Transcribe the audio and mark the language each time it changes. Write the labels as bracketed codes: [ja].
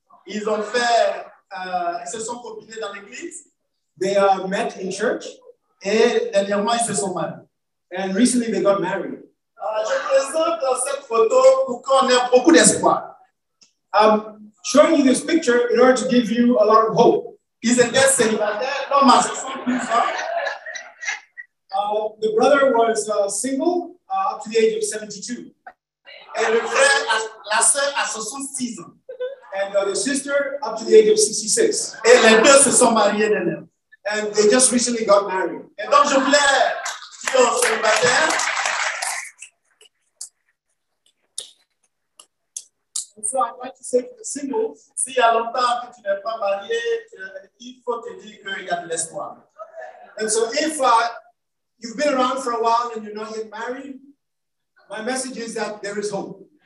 [fr] Ils ont fait, ils se sont combinés dans l'église. [en] They met in church. [fr] Et dernièrement, ils se sont mariés. [en] And recently, they got married. [fr] Je présente cette photo pour qu'on ait beaucoup d'espoir. [en] I'm showing you this picture in order to give you a lot of hope. [fr] Ils étaient célibataires. Non, mais ce sont plus, hein? [en] The brother was single up to the age of 72. [fr] Et le frère, la sœur à 66 ans. [en] And the sister up to the age of 66. [fr] Et les deux se sont mariés de même. [en] And they just recently got married. [fr] Et donc je voulais dire aux célibataires. [en] So I'd like to say to the singles, [fr] si y a longtemps que tu n'es pas marié, il faut te dire qu'il y a de l'espoir. [en] And so if you've been around for a while and you're not yet married, my message is that there is hope.